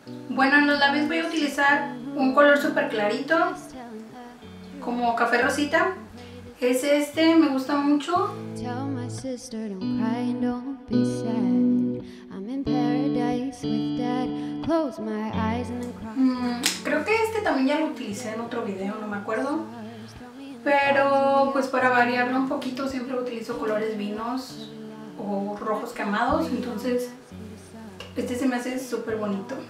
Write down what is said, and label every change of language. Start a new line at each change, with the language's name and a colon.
Spanish: Bueno, en los labios voy a utilizar un color súper clarito, como café rosita. Es este, me gusta mucho.
English: Tell my sister don't cry and don't be sad. I'm in paradise with dad. Close my eyes and then cry.
Spanish: Creo que este también ya lo utilicé en otro video, no me acuerdo. Pero pues para variarlo un poquito siempre utilizo colores vinos o rojos quemados, entonces este se me hace súper bonito.